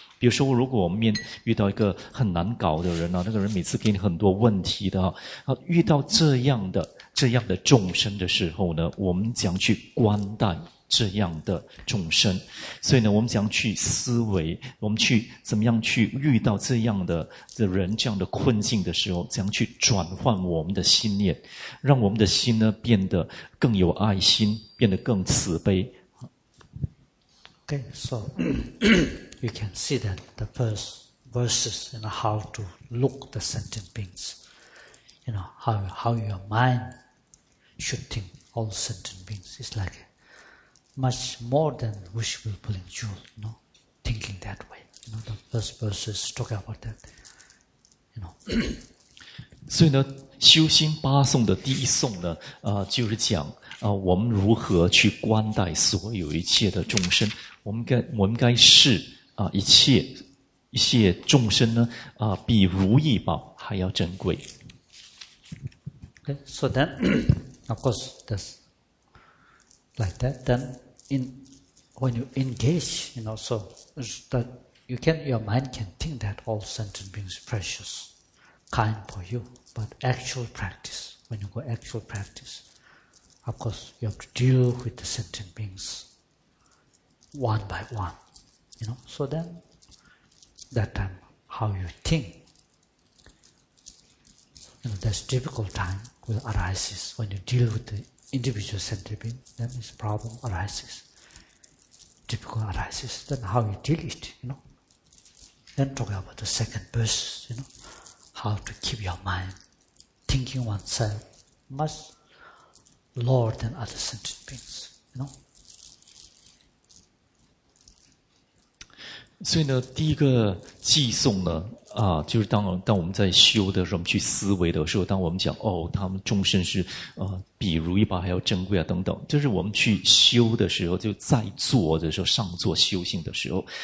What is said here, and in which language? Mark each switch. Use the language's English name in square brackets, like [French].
[Chinese] 比如说，如果我们遇到一个很难搞的人啊，那个人每次给你很多问题的啊，遇到这样的众生的时候呢，我们将去观待这样的众生。所以呢，我们将去思维，我们去怎么样去遇到这样的人这样的困境的时候，将去转换我们的心念，让我们的心呢变得更有爱心，变得更慈悲。 [English] Okay, so you can see that the first verses, you know, how to look the sentient beings, you know, how your mind should think all sentient beings. It's like much more than wishful pulling jewel, you know, thinking that way. You know, the first verses talk about that, you know. [Chinese] 所以呢，修心八颂的第一颂呢，就是讲我们如何去观待所有一切的众生。我们该视一切众生呢比如意宝还要珍贵。 [English] Okay, so then, of course, that's like that. Then, when you engage, you know, so that your mind can think that all sentient beings are precious, kind for you. But actual practice, when you go actual practice, of course, you have to deal with the sentient beings. One by one, you know. So then, that time, how you think, you know, that's difficult time will arises when you deal with the individual sentient being. Then this problem arises, difficult arises. Then how you deal it, you know. Then talk about the second verse, you know, how to keep your mind thinking oneself much lower than other sentient beings, you know. [Chinese] 所以呢，第一个寄送呢，就是当我们在修的时候，我们去思维的时候，当我们讲哦，他们众生是比如意宝还要珍贵啊，等等，就是我们去修的时候，就在做的时候，上座修行的时候，